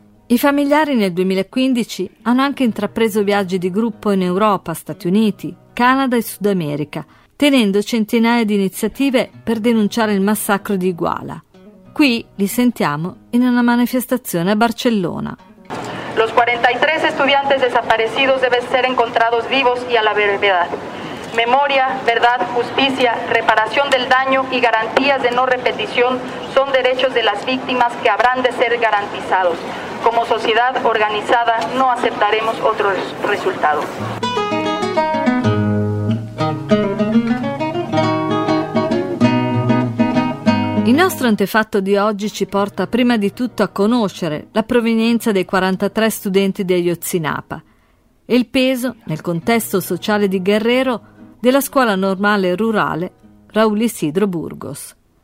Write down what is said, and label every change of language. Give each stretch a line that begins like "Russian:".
Italian: I familiari nel 2015 hanno anche intrapreso viaggi di gruppo in Europa, Stati Uniti, Canada e Sud America, tenendo centinaia di iniziative per denunciare il massacro di Iguala. Qui li sentiamo in una manifestazione a Barcellona.
Spanish: Los 43 estudiantes desaparecidos deben ser encontrados vivos y a la brevedad. Memoria, verdad, justicia, reparación del daño y garantías de no repetición son derechos de las víctimas que habrán de ser garantizados. Como sociedad organizada no aceptaremos otro resultado.
Italian: Il nostro antefatto di oggi ci porta prima di tutto a conoscere la provenienza dei 43 studenti di Ayotzinapa e il peso, nel contesto sociale di Guerrero, della scuola normale rurale Raúl Isidro Burgos.